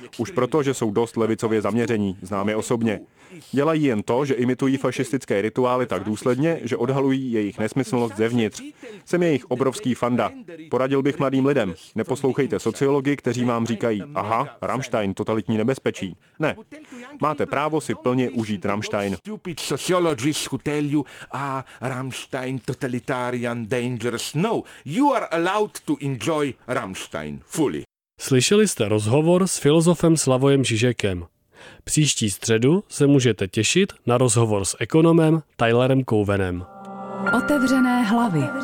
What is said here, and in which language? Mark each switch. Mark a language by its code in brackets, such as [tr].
[cs] Už proto, že jsou dost levicově zaměření, znám je osobně. Dělají jen to, že imitují fašistické rituály tak důsledně, že odhalují jejich nesmyslnost zevnitř. Jsem jejich obrovský fanda. Poradil bych mladým lidem. Neposlouchejte sociology, kteří vám říkají, aha, Rammstein, totalitní nebezpečí. Ne. Máte právo si plně užít Rammstein. [en] Stupid sociologists who tell you, Rammstein, totalitarian, dangerous. No, you are allowed to enjoy Rammstein fully. [cs] Slyšeli jste rozhovor s filozofem Slavojem Žižekem. Příští středu se můžete těšit na rozhovor s ekonomem Tylerem Cowenem. Otevřené hlavy.